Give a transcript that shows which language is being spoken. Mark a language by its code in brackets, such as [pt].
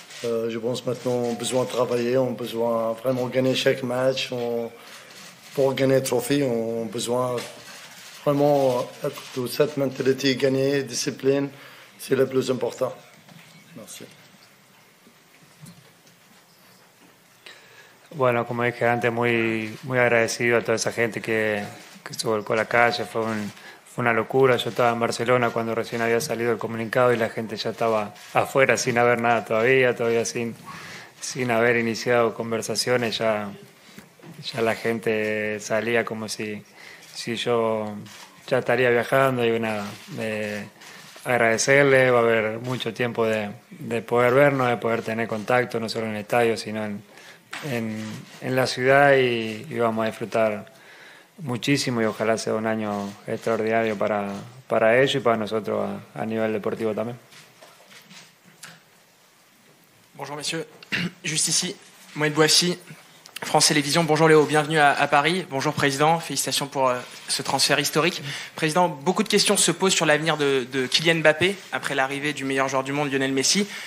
[fr] Je pense maintenant on a besoin de travailler, on a besoin vraiment gagner chaque match. Pour gagner le trophée, on a besoin vraiment être de cette mentalité, gagner, discipline, c'est le plus important. Merci. [es] Bueno, como dije antes, muy agradecido a toda esa gente que se volcó a la calle. Fue una locura. Yo estaba en Barcelona cuando recién había salido el comunicado y la gente ya estaba afuera sin haber nada todavía sin haber iniciado conversaciones. Ya la gente salía como si yo ya estaría viajando. Y nada, agradecerle. Va a haber mucho tiempo de poder vernos, de poder tener contacto, no solo en el estadio, sino en la ciudad, y vamos a disfrutar muchísimo, y ojalá sea un año extraordinario para ellos y para nosotros a nivel deportivo también. [fr] Bonjour messieurs, juste ici, Moïse Boissy, France Télévisions. Bonjour Léo, bienvenue à Paris. Bonjour président, félicitations pour ce transfert historique. Président, beaucoup de questions se posent sur l'avenir de Kylian Mbappé après l'arrivée du meilleur joueur du monde, Lionel Messi.